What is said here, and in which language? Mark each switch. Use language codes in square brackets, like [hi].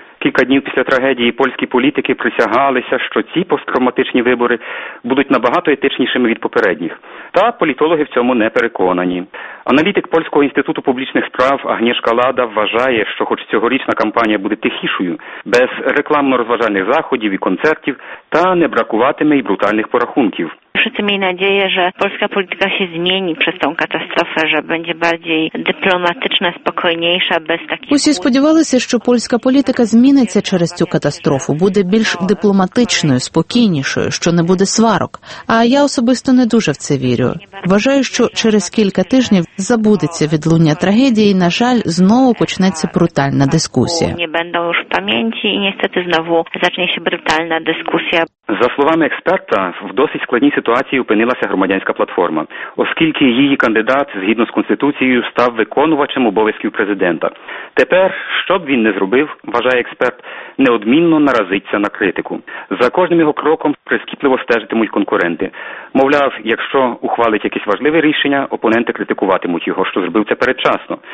[uk] Кілька днів після трагедії польські політики присягалися, що ці посттравматичні вибори будуть набагато етичнішими від попередніх. Та політологи в цьому не переконані. Аналітик Польського інституту публічних справ Агнєшка Лада вважає, що хоч цьогорічна кампанія буде тихішою, без рекламно-розважальних заходів і концертів, та не бракуватиме і брутальних порахунків. [pl] Wszyscy mieli nadzieję, że polska polityka się zmieni przez tą katastrofę, że będzie bardziej dyplomatyczna, spokojniejsza, bez takich... [uk] Усі сподівалися, що польська політика зміниться через цю катастрофу, буде більш дипломатичною, спокійнішою, що не буде сварок. А я особисто не дуже в це вірю. Вважаю, що через кілька тижнів забудеться відлуння трагедії, і, на жаль, знову почнеться брутальна дискусія. [pl] Не będą już w pamięci i niestety znowu zacznie się brutalna dyskusja. [uk] За словами експерта, в досить складній ситуації опинилася громадянська платформа, оскільки її кандидат, згідно з Конституцією, став виконувачем обов'язків президента. Тепер, що б він не зробив, вважає експерт, неодмінно наразиться на критику. За кожним його кроком прискіпливо стежитимуть конкуренти. Мовляв, якщо ухвалить якесь важливе рішення, опоненти критикуватимуть його, що зробив це передчасно.